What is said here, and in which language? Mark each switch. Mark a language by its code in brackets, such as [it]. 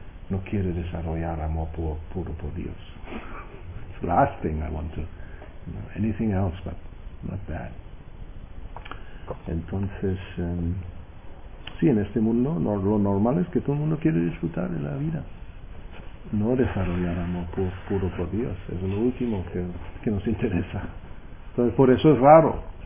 [es] No quiere desarrollar amor puro por Dios. [en] It's the last thing I want to. You know, anything else, but not that. [es] Entonces, sí, en este mundo, lo normal es que todo el mundo quiere disfrutar de la vida. No desarrollar amor puro por Dios. Es lo último que nos interesa. Entonces, por eso es raro.